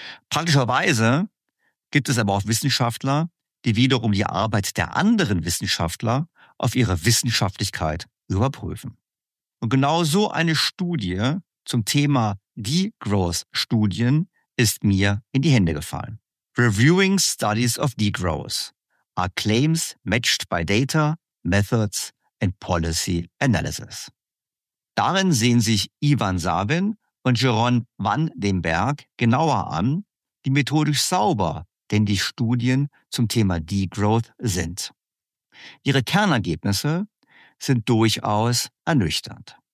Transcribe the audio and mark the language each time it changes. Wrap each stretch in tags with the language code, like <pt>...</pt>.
<de>Praktischerweise gibt es aber auch Wissenschaftler, die wiederum die Arbeit der anderen Wissenschaftler auf ihre Wissenschaftlichkeit überprüfen. Und genau so eine Studie zum Thema Degrowth-Studien ist mir in die Hände gefallen.</de> <en>Reviewing Studies of Degrowth. Are Claims Matched by Data, Methods and Policy Analysis?</en> <de>Darin sehen sich Ivan Savin und Jeroen van den Berg genauer an, wie methodisch sauber denn die Studien zum Thema Degrowth sind. Ihre Kernergebnisse sind durchaus ernüchternd.</de>